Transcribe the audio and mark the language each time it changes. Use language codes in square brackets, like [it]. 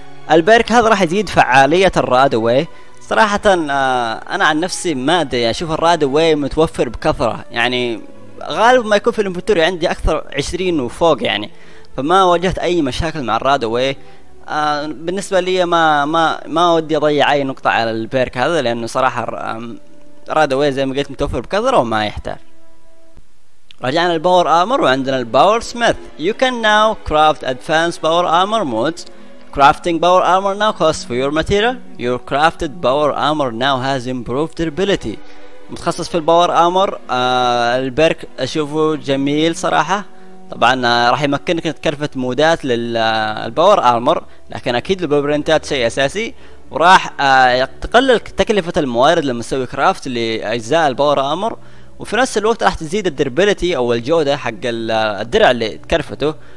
[ar] البرك هذا راح يزيد فعالية الراد واي. صراحة انا عن نفسي ما ادري اشوف الراد واي متوفر بكثرة، يعني غالبا ما يكون في الانفنتوري عندي اكثر 20 وفوق يعني، فما واجهت اي مشاكل مع الراد واي. بالنسبة لي ما ودي اضيع اي نقطة على البرك هذا، لانه صراحة الراد واي زي ما قلت متوفر بكثرة وما يحتاج. رجعنا الباور ارمر وعندنا الباور سميث. [en] You can now craft advanced power armor modes. Crafting power armor now costs for your material. Your crafted power armor now has improved durability. [ar] متخصص في الباور ارمر البرك اشوفه جميل صراحه. طبعا راح يمكنك تكرفت مودات للباور ارمر، لكن اكيد البلبرنتات شيء اساسي، وراح تقلل تكلفه الموارد لما تسوي كرافت لاجزاء الباور ارمر، وفي نفس الوقت راح تزيد الدربلتي او الجوده حق الدرع اللي تكرفته.